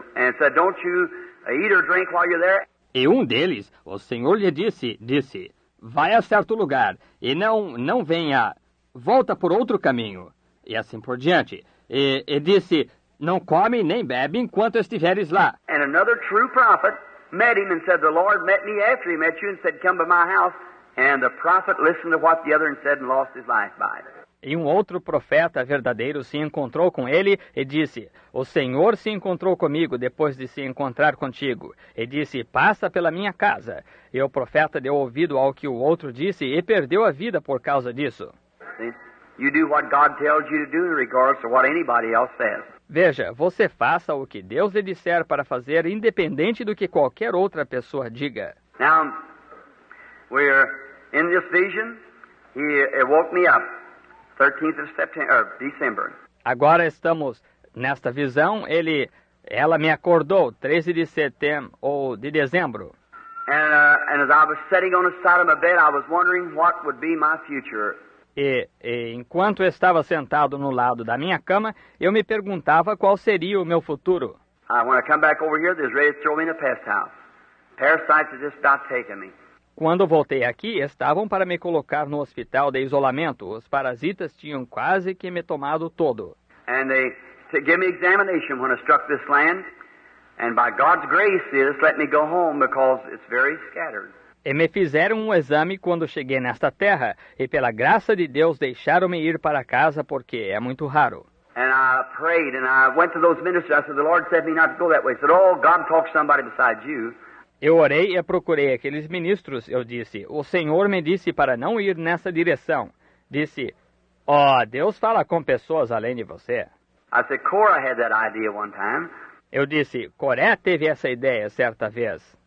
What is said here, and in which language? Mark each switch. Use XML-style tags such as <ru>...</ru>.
<en>And said, don't you eat or drink while you're there?</en> <pt>E deles, o Senhor lhe disse, vai a certo lugar e não venha, volta por outro caminho. E assim por diante. E disse, não come nem bebe enquanto estiveres lá.</pt> <en>And another true prophet met him and said, the Lord met me after he met you and said, come to my house. And the prophet listened to what the other said and lost his life by it.</en> <pt>E outro profeta verdadeiro se encontrou com ele e disse, o Senhor se encontrou comigo depois de se encontrar contigo. E disse, passa pela minha casa. E o profeta deu ouvido ao que o outro disse e perdeu a vida por causa disso.</pt> <en>You do what God tells you to do in regards to what anybody else says.</en> <pt>Veja, você faça o que Deus lhe disser para fazer, independente do que qualquer outra pessoa diga.</pt> <en>Now, we're in this vision, he woke me up. 13th of September, December.</en> <pt>Agora estamos nesta visão, ela me acordou 13 de setembro ou de dezembro.</pt> <en>And as I was sitting on the side of my bed, I was wondering what would be my future.</en> <pt>E enquanto estava sentado no lado da minha cama, eu me perguntava qual seria o meu futuro.</pt> <en>When I come back over here, they're ready to throw me in a pest house. Parasites have just stopped taking me.</en> <pt>Quando voltei aqui, estavam para me colocar no hospital de isolamento. Os parasitas tinham quase que me tomado todo.</pt> <en>And they gave me examination when I struck this land. And by God's grace, they just let me go home because it's very scattered.</en> <pt>E me fizeram exame quando cheguei nesta terra. E pela graça de Deus, deixaram-me ir para casa porque é muito raro.</pt> <en>And I prayed and I went to those ministers. I said, the Lord said me not to go that way. I said, oh, God talks to somebody besides you.</en> <pt>Eu orei e procurei aqueles ministros. Eu disse, o Senhor me disse para não ir nessa direção. Disse, Deus fala com pessoas além de você.</pt> <en>I said, Cora had that idea one time.</en> <pt>Eu disse, Coré teve essa ideia certa vez.</pt>